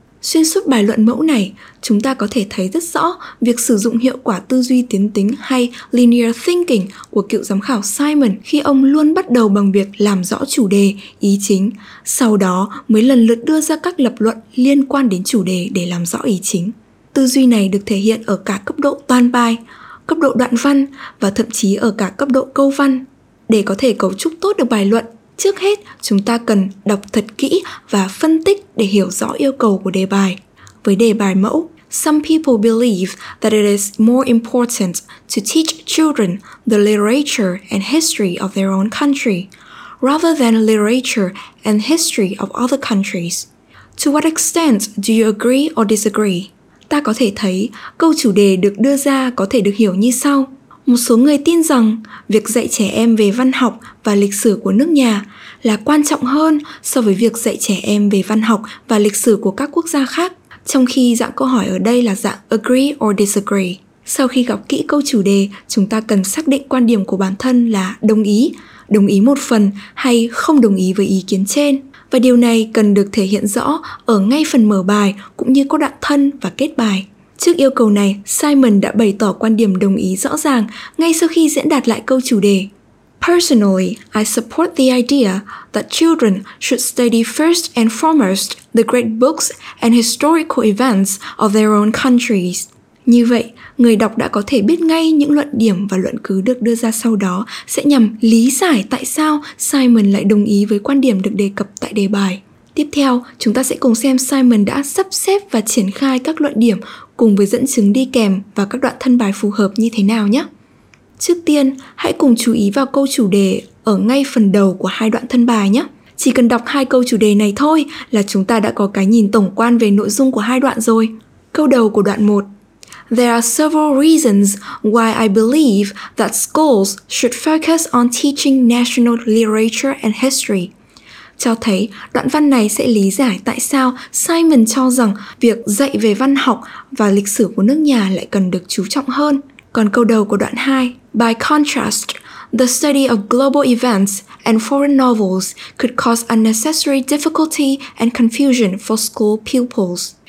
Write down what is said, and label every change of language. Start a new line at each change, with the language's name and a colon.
Vietnamese: Xuyên suốt bài luận mẫu này, chúng ta có thể thấy rất rõ việc sử dụng hiệu quả tư duy tiến tính hay linear thinking của cựu giám khảo Simon khi ông luôn bắt đầu bằng việc làm rõ chủ đề, ý chính, sau đó mới lần lượt đưa ra các lập luận liên quan đến chủ đề để làm rõ ý chính. Tư duy này được thể hiện ở cả cấp độ toàn bài, cấp độ đoạn văn và thậm chí ở cả cấp độ câu văn. Để có thể cấu trúc tốt được bài luận, trước hết, chúng ta cần đọc thật kỹ và phân tích để hiểu rõ yêu cầu của đề bài. Với đề bài mẫu,
English: some people believe that it is more important to teach children the literature and history of their own country, rather than literature and history of other countries. To what extent do you agree or disagree?
Vietnamese: Ta có thể thấy câu chủ đề được đưa ra có thể được hiểu như sau. Một số người tin rằng việc dạy trẻ em về văn học và lịch sử của nước nhà là quan trọng hơn so với việc dạy trẻ em về văn học và lịch sử của các quốc gia khác, trong khi dạng câu hỏi ở đây là dạng agree or disagree. Sau khi gặp kỹ câu chủ đề, chúng ta cần xác định quan điểm của bản thân là đồng ý một phần hay không đồng ý với ý kiến trên. Và điều này cần được thể hiện rõ ở ngay phần mở bài cũng như các đoạn thân và kết bài. Trước yêu cầu này, Simon đã bày tỏ quan điểm đồng ý rõ ràng ngay sau khi diễn đạt lại câu chủ đề.
English: Personally, I support the idea that children should study first and foremost the great books and historical events of their own countries.
Vietnamese: Như vậy, người đọc đã có thể biết ngay những luận điểm và luận cứ được đưa ra sau đó sẽ nhằm lý giải tại sao Simon lại đồng ý với quan điểm được đề cập tại đề bài. Tiếp theo, chúng ta sẽ cùng xem Simon đã sắp xếp và triển khai các luận điểm cùng với dẫn chứng đi kèm và các đoạn thân bài phù hợp như thế nào nhé. Trước tiên, hãy cùng chú ý vào câu chủ đề ở ngay phần đầu của hai đoạn thân bài nhé. Chỉ cần đọc hai câu chủ đề này thôi là chúng ta đã có cái nhìn tổng quan về nội dung của hai đoạn rồi. Câu đầu của đoạn 1.
English: There are several reasons why I believe that schools should focus on teaching national literature and history.
Vietnamese: Cho thấy, đoạn văn này sẽ lý giải tại sao Simon cho rằng việc dạy về văn học và lịch sử của nước nhà lại cần được chú trọng hơn. Còn câu đầu của đoạn 2,
English: by contrast, the study of global events and foreign novels could cause unnecessary difficulty and confusion for school pupils.